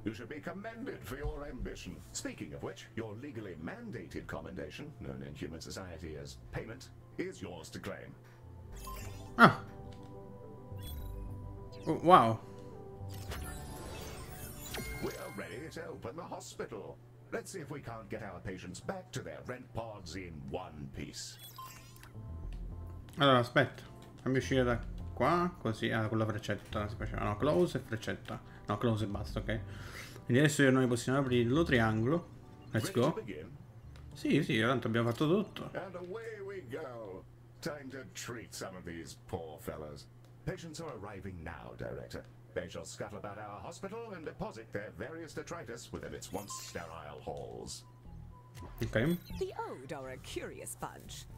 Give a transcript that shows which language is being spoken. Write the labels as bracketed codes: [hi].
[en] You should be commended for your ambition. Speaking of which, your legally mandated commendation, known in human society as payment, is yours to claim. Ah. Oh, wow. We're ready to open the hospital. Let's see if we can't get our patients back to their rent pods in one piece. [it] Allora, aspetta. Fammi uscire da qua, così, ah, con la freccetta si faceva, no, close e freccetta, no, close e basta, ok. Quindi adesso io e noi possiamo aprire lo triangolo, [en] let's go. [it] Sì, sì, tanto abbiamo fatto tutto. [en] And away we go, time to treat some of these poor fellows. Patients are arriving now, Director. They shall scuttle about our hospital and deposit their various detritus within its once sterile halls. Okay. The old are a curious bunch.